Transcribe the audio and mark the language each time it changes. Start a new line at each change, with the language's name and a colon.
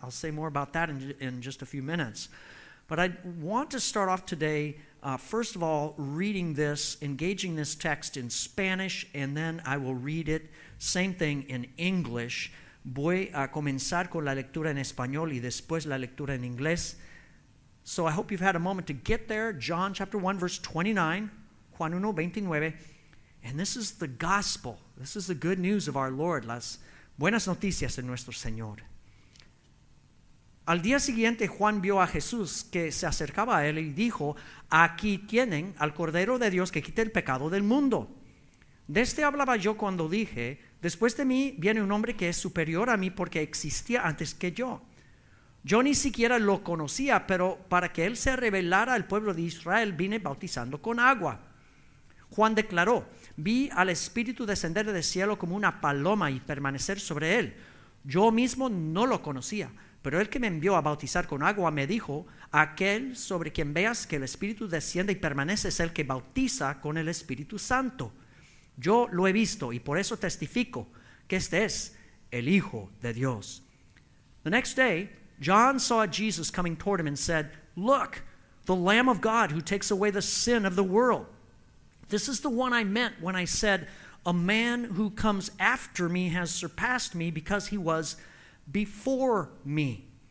English: I'll say more about that in just a few minutes. But I want to start off today, first of all, reading this, engaging this text in Spanish, and then I will read it, same thing, in English.
Spanish: Voy a comenzar con la lectura en español y después la lectura en inglés.
English: So I hope you've had a moment to get there. John chapter 1, verse 29, Juan 1, 29. And this is the gospel. This is the good news of our Lord.
Spanish: Las buenas noticias de nuestro Señor. Al día siguiente, Juan vio a Jesús que se acercaba a él y dijo, aquí tienen al Cordero de Dios que quita el pecado del mundo. De este hablaba yo cuando dije, después de mí viene un hombre que es superior a mí porque existía antes que yo. Yo ni siquiera lo conocía, pero para que él se revelara al pueblo de Israel vine bautizando con agua. Juan declaró, vi al Espíritu descender del cielo como una paloma y permanecer sobre él. Yo mismo no lo conocía, pero el que me envió a bautizar con agua me dijo, aquel sobre quien veas que el Espíritu desciende y permanece es el que bautiza con el Espíritu Santo. Yo lo he visto y por eso testifico que este es el Hijo de Dios.
English: The next day, John saw Jesus coming toward him and said, look, the Lamb of God who takes away the sin of the world. This is the one I meant when I said, a man who comes after me has surpassed me because he was before me.